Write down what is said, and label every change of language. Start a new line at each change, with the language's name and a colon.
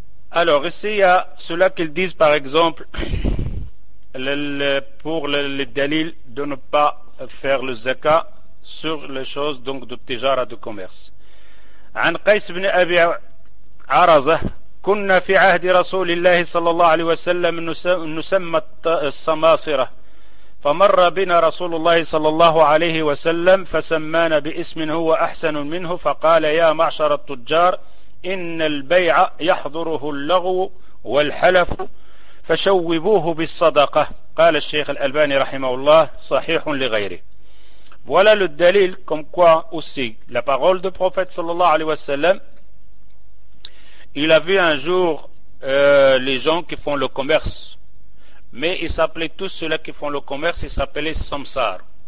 French: Alors ici, il y a ceux-là qu'ils disent, par exemple, pour le délit de ne pas faire le zaka sur les choses donc de tijara, de commerce.
Arabic: An Qais ibn Abi Araza. كنا في عهد رسول الله صلى الله عليه وسلم نسمى الصماصرة، فمر بنا رسول الله صلى الله عليه وسلم فسمانا باسم هو أحسن منه، فقال يا معشر التجار إن البيع يحضره اللغو والحلف فشوبوه بالصدقة. قال الشيخ الألباني رحمه الله صحيح لغيره.
French: Voilà le dalil comme quoi aussi la parole du prophète
Arabic: صلى الله عليه وسلم.
French: Il a vu un jour les gens qui font le commerce, mais ils s'appelaient tous ceux-là qui font le commerce, ils s'appelaient samsar.